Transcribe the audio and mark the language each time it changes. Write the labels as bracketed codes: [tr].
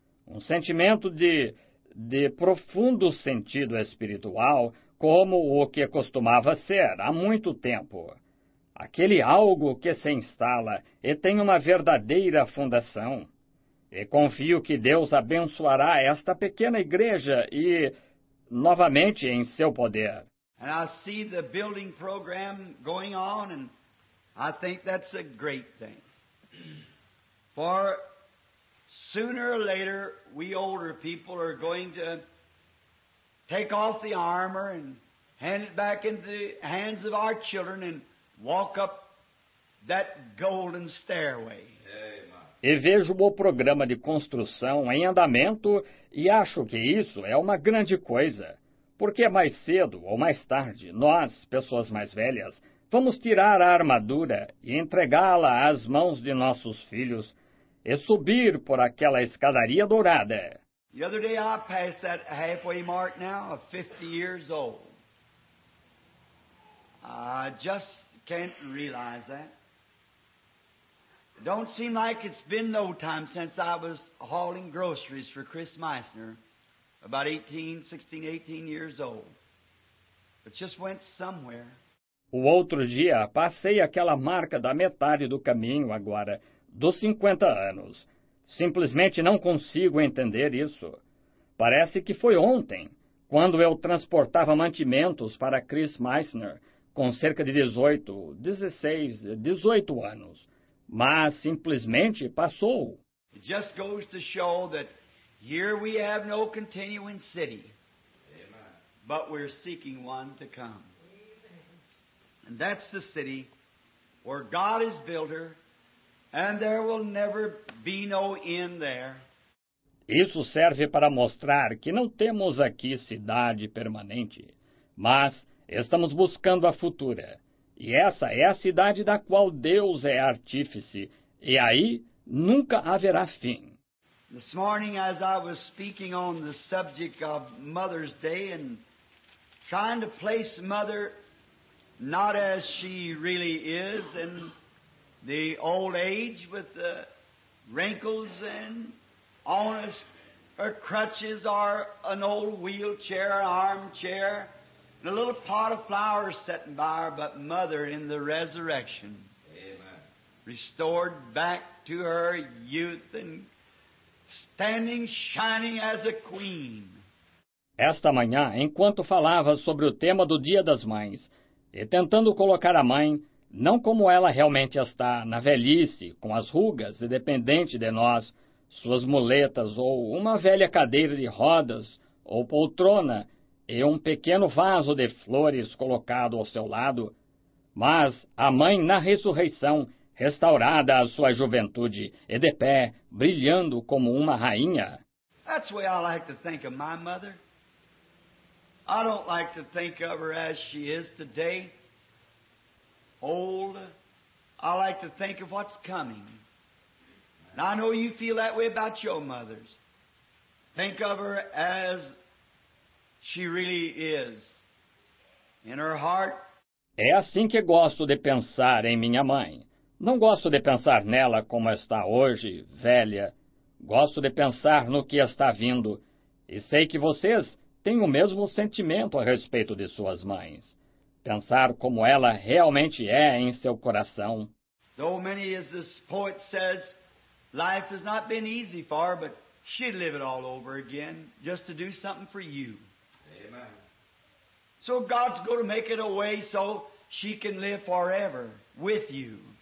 [pt] Um sentimento de profundo sentido espiritual, como o que costumava ser há muito tempo. Aquele algo que se instala e tem uma verdadeira fundação. E confio que Deus abençoará esta pequena igreja e, novamente, em seu poder. E eu vejo o [en] building program going on, and I think that's a great thing. For sooner or later, we older people are going to take off the armor and hand it back into the hands of our children and walk up that golden stairway. [pt] E vejo o programa de construção em andamento e acho que isso é uma grande coisa, porque mais cedo ou mais tarde, nós, pessoas mais velhas, vamos tirar a armadura e entregá-la às mãos de nossos filhos e subir por aquela escadaria dourada. [en] The other day I passed that halfway mark now of 50 years old. I just can't realize that. Don't seem like it's been no time since I was hauling groceries for Chris Meissner, about 16, 18 years old. But just went somewhere. [pt] O outro dia passei aquela marca da metade do caminho agora, dos 50 anos. Simplesmente não consigo entender isso. Parece que foi ontem, quando eu transportava mantimentos para Chris Meissner, com cerca de 18 anos. Mas simplesmente passou. [en] It just goes to show that here we have no continuing city. Amen. But we're seeking one to come. And that's the city where God is builder. And there will never be no end there. [pt] Isso serve para mostrar que não temos aqui cidade permanente, mas estamos buscando a futura. E essa é a cidade da qual Deus é artífice, e aí nunca haverá fim. [en] This morning, as I was speaking on the subject of Mother's Day and trying to place Mother not as she really is and the old age with the wrinkles and onus or crutches or an old wheelchair, armchair, and a little pot of flowers sitting by her, but Mother in the resurrection. Amen. Restored back to her youth and standing shining as a queen. [pt] Esta manhã, enquanto falava sobre o tema do Dia das Mães, e tentando colocar a mãe, não como ela realmente está, na velhice, com as rugas e dependente de nós, suas muletas ou uma velha cadeira de rodas ou poltrona e um pequeno vaso de flores colocado ao seu lado, mas a mãe na ressurreição, restaurada à sua juventude e de pé, brilhando como uma rainha. [en] That's the way I like to think of my mother. I don't like to think of her as she is today. Old, I like to think of what's coming. And I know you feel that way about your mothers. Think of her as she really is, in her heart. [pt] É assim que gosto de pensar em minha mãe. Não gosto de pensar nela como está hoje, velha. Gosto de pensar no que está vindo. E sei que vocês têm o mesmo sentimento a respeito de suas mães. Pensar como ela realmente é em seu coração. [en] Though many, as this poet says, life has not been easy for her, but she'd live it all over again just to do something for you. Amen. So God's going to make it a way so she can live forever with you.